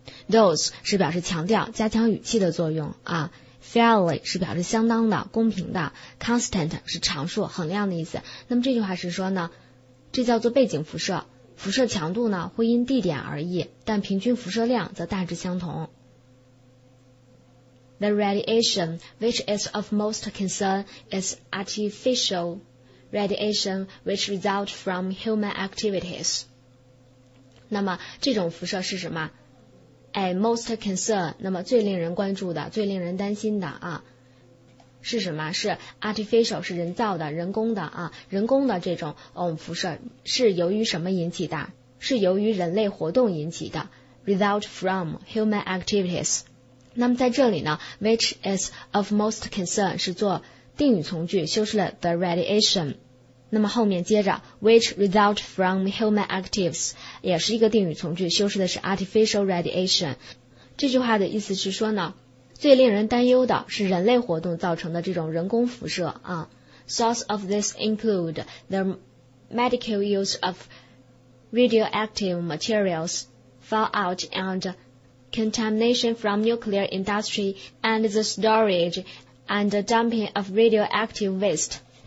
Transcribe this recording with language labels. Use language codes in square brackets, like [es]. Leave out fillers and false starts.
[zh] Those 是表示强调加强语气的作用啊。 Fairly 是表示相当的公平的， constant 是常数衡量的意思。那么这句话是说呢，这叫做背景辐射，辐射强度呢会因地点而异，但平均辐射量则大致相同。 [en] The radiation which is of most concern is artificialradiation which result from human activities。 [zh] 那么这种辐射是什么？most concern， 那么最令人关注的、最令人担心的啊，是什么？是 artificial， 是人造的、人工的啊。人工的这种辐射是由于什么引起的？是由于人类活动引起的， [en] result from human activities。 [zh] 那么在这里呢， [en] which is of most concern [zh] 是做定语从句，修饰了 the radiation。那么后面接着 [en] which result from human activities [zh] 也是一个定语从句，修饰的是 artificial radiation。这句话的意思是说呢，最令人担忧的是人类活动造成的这种人工辐射啊。 [en] Source of this include the medical use of radioactive materials, fallout and contamination from nuclear industry and the storageand the dumping of radioactive waste。